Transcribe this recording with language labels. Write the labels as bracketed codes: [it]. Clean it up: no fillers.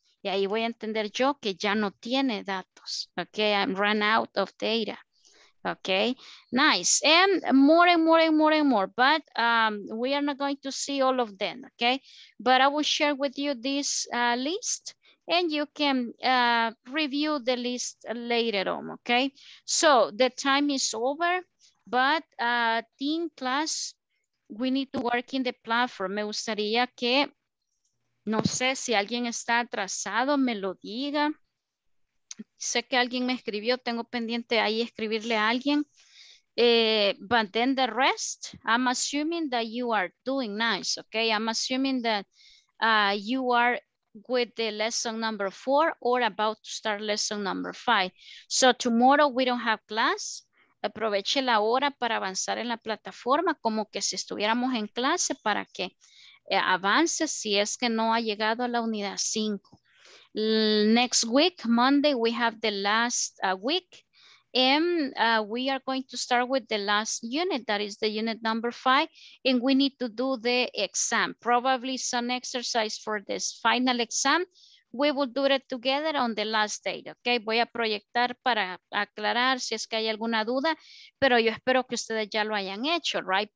[es] Y ahí voy a entender yo que ya no tiene datos, okay? [en] I'm run out of data, okay? Nice, and more, but we are not going to see all of them, okay? But I will share with you this list and you can review the list later on, okay? So the time is over. But team class, we need to work in the platform. [es] Me gustaría que, no sé si alguien está atrasado, me lo diga. Sé que alguien me escribió, tengo pendiente ahí escribirle a alguien. [en] But then the rest, I'm assuming that you are doing nice, okay? I'm assuming that you are with the lesson number 4 or about to start lesson number 5. So tomorrow we don't have class. [es] Aproveche la hora para avanzar en la plataforma como que si estuviéramos en clase para que avance si es que no ha llegado a la unidad 5. [en] Next week, Monday, we have the last week and we are going to start with the last unit, that is the unit number 5, and we need to do the exam. Probably some exercise for this final exam. We will do it together on the last day, okay? [es] Voy a proyectar para aclarar si es que hay alguna duda, pero yo espero que ustedes ya lo hayan hecho, right?